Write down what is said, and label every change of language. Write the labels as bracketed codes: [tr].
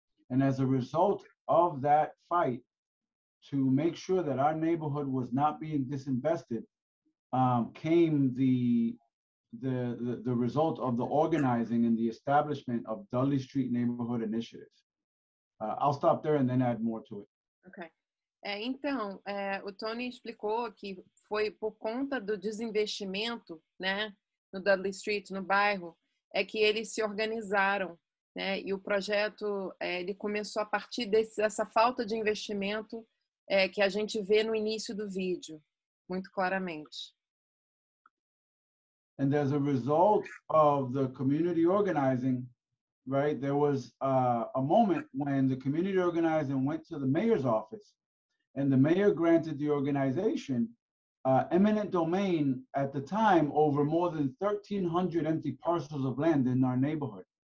[en] And as a result of that fight to make sure that our neighborhood was not being disinvested, came the result of the organizing and the establishment of Dudley Street Neighborhood Initiative. I'll stop there and then add more to it. Okay. [pt] Então, o Tony explicou que foi por conta do desinvestimento, né, no Dudley Street, no bairro, é que eles se organizaram, né, e o projeto ele começou a partir dessa falta de investimento que a gente vê no início do vídeo, muito claramente. [en] And as a result of the community organizing, right, there was a moment when the community organizing went to the mayor's office, and the mayor granted the organization eminent domain at the time over more than 1,300 empty parcels of land in our neighborhood.